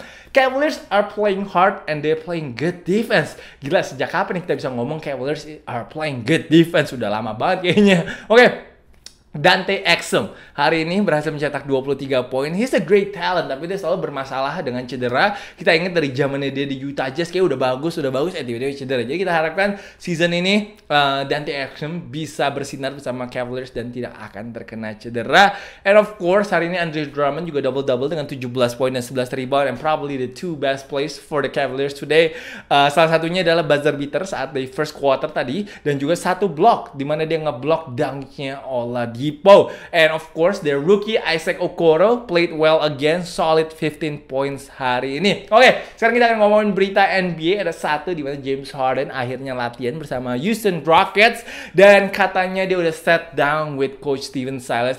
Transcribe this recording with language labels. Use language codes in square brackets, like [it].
[en] Cavaliers are playing hard and they're playing good defense. [id] Gila, sejak kapan kita bisa ngomong Cavaliers are playing good defense? Sudah lama banget kayaknya. Okay. Dante Exum hari ini berhasil mencetak 23 poin. He's a great talent, tapi dia selalu bermasalah dengan cedera. Kita ingat dari zamannya dia di Utah Jazz kayak udah bagus, tiba-tiba cedera. Jadi kita harapkan season ini Dante Exum bisa bersinar bersama Cavaliers dan tidak akan terkena cedera. [en] And of course hari ini Andre Drummond juga double-double dengan 17 poin dan 11 rebound, and probably the two best plays for the Cavaliers today. [id] Salah satunya adalah buzzer beater saat di first quarter tadi, dan juga satu block di mana dia ngeblock dunknya Ola Dipo. [en] And of course their rookie Isaac Okoro played well again, solid 15 points hari ini. [id] Okay, sekarang kita akan ngomongin berita NBA. Ada satu di mana James Harden akhirnya latihan bersama Houston Rockets dan katanya dia udah set down with coach Steven Silas.